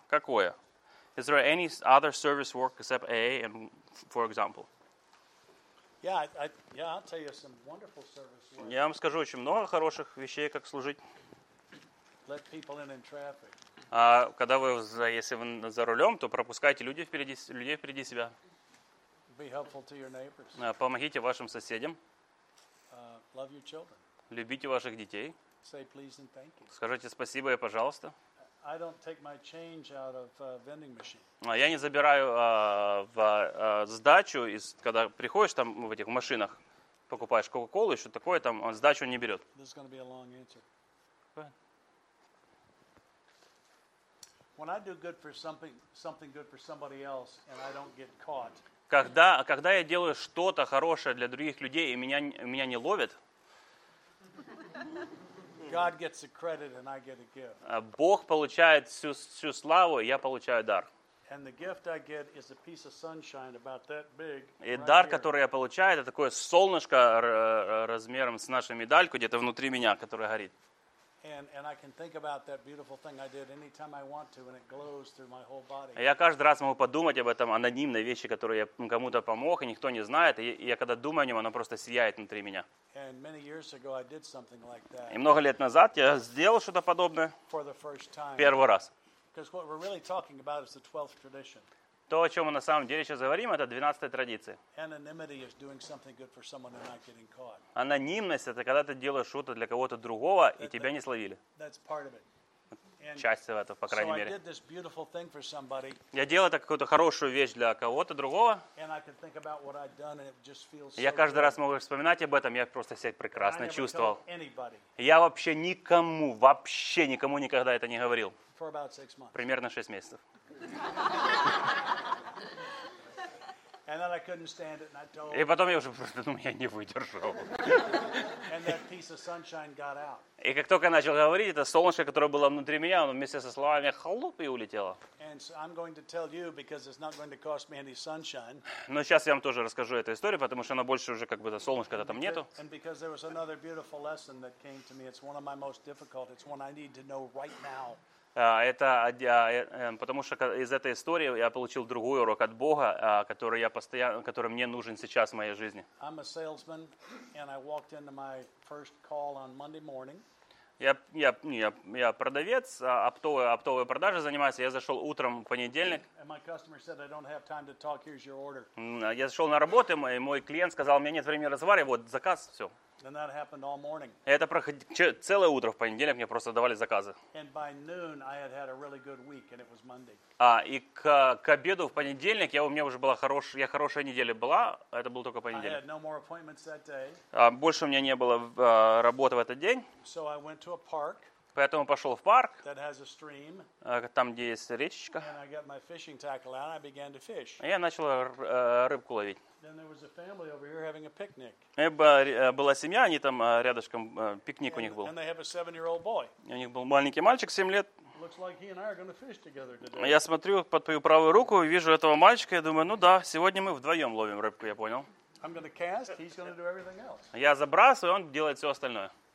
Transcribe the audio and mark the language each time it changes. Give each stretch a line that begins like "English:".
Russian: Какое?
English: Is there any other service work except A, and for example? Yeah, I'll tell you some wonderful service work.
Russian: Я вам скажу очень много хороших вещей, как служить.
English: Let people in traffic.
Russian: Когда вы, если вы за рулем, то пропускайте людей впереди себя.
English: Be helpful to your neighbors.
Russian: Помогите вашим соседям.
English: Love your children.
Russian: Любите ваших детей.
English: Say please and thank you.
Russian: Скажите спасибо и пожалуйста.
English: I don't take my change out of vending machine.
Russian: Я не забираю сдачу, когда приходишь там в этих машинах, покупаешь кока-колу и что такое, там он сдачу не берет.
English: This is going to be a long answer. When I do good for something good for somebody else and I don't get caught.
Russian: Когда я делаю что-то хорошее для других людей и меня не ловят.
English: God gets the credit and I get a gift.
Russian: Бог получает всю славу, я получаю дар.
English: And the gift I get is a piece of sunshine about that big.
Russian: И дар, который я получаю, это такое солнышко размером с нашу медальку где-то внутри меня, которое горит.
English: And I can think about that beautiful thing I did anytime I want to, and it glows through my whole body.
Russian: Я каждый раз могу подумать об этом анонимной вещи, которую я кому-то помог, и никто не знает. И я когда думаю о нем, оно просто сияет внутри меня.
English: And many years ago I did something like that.
Russian: И много лет назад я сделал что-то подобное.
English: For the first time.
Russian: Первый раз.
English: Because what we're really talking about is the 12th tradition.
Russian: То, о чем мы на самом деле сейчас говорим, это 12-я традиция.
English: Anonymity is doing something good for someone and not getting caught.
Russian: Анонимность – это когда ты делаешь что-то для кого-то другого, и тебя не словили.
English: That's part of it.
Russian: Часть этого, по крайней мере.
English: So I did this beautiful thing for somebody.
Russian: Я делал это какую-то хорошую вещь для кого-то другого.
English: And I could think about what I'd done, and it just feels so
Russian: я каждый раз мог вспоминать об этом, я просто себя прекрасно
English: I never
Russian: чувствовал.
English: Told anybody.
Russian: Я вообще никому никогда это не говорил.
English: For about 6 months.
Russian: Примерно 6 месяцев.
English: And then I couldn't stand it, and I told.
Russian: И потом я уже просто думаю, я не выдержал.
English: And that piece of sunshine got out.
Russian: И как только я начал говорить, это солнышко, которое было внутри меня, оно вместе со словами хлоп и улетело.
English: And so I'm going to tell you because it's not going to cost me any sunshine.
Russian: Но сейчас я вам тоже расскажу эту историю, потому что она больше уже как бы это солнышко-то там нету.
English: And because there was another beautiful lesson that came to me, it's one of my most difficult. It's one I need to know right now.
Russian: Потому что из этой истории я получил другой урок от Бога, который я постоянно, который мне нужен сейчас в моей жизни.
English: I'm a salesman, and I walked into my first call on Monday morning.
Russian: Я продавец, оптовые продажи занимаюсь. Я зашел утром в понедельник.
English: And my customer said, I don't have time to talk. Here's your order.
Russian: Я зашел на работу, и мой клиент сказал, у меня нет времени разговаривать. Вот заказ, все. And that happened all morning. Это проходило целое утро, в понедельник мне просто давали заказы.
English: And by noon I had had a really good week, and it was Monday.
Russian: И к обеду в понедельник хорошая неделя была, это был только понедельник.
English: I had no more appointments that day.
Russian: Больше у меня не было работы в этот день.
English: So I went to a park.
Russian: Поэтому пошел в парк.
English: That has a stream.
Russian: Там, где есть речечка.
English: And I got my fishing tackle out, and I began to fish.
Russian: Я начал рыбку ловить.
English: And there was a family over here having a picnic.
Russian: Была семья, они там рядышком пикник у них был.
English: And they have a 7-year-old boy.
Russian: У них был маленький мальчик, 7 лет.
English: Looks like he and I are going to fish together today.
Russian: Я смотрю под твою правую руку и вижу этого мальчика, я думаю, ну да, сегодня мы вдвоем ловим рыбку, я понял.
English: I'm going to cast. He's going to do everything else.
Russian: Я забрасываю, он делает все остальное.